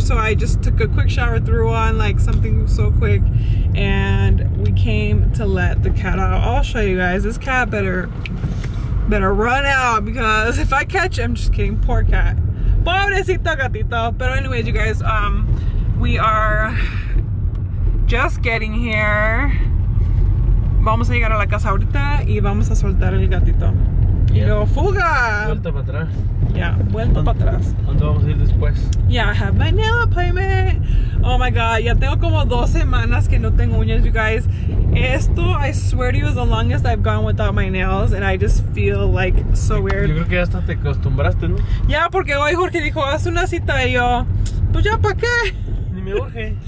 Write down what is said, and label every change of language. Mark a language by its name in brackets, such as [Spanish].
[English] So I just took a quick shower, threw on like something so quick, and we came to let the cat out. I'll show you guys this cat better run out, because if I catch him, just kidding, poor cat, [Spanish] pobrecito gatito. [English] But anyways, you guys, we are just getting here. [Spanish] Vamos a llegar a la casa ahorita y vamos a soltar el gatito. Yeah. Y luego fuga. Vuelta para atrás. Yeah, vuelta para atrás. ¿Dónde vamos a ir después? [English] Yeah, I have my nail appointment. Oh my God, [Spanish] ya tengo como 2 semanas que no tengo uñas, [English] you guys. Esto, I swear to you, is the longest I've gone without my nails, and I just feel like so weird. [Spanish] Yo creo que ya hasta te acostumbraste, ¿no? Yeah, porque hoy Jorge dijo, haz una cita, y yo, pues ya pa' qué.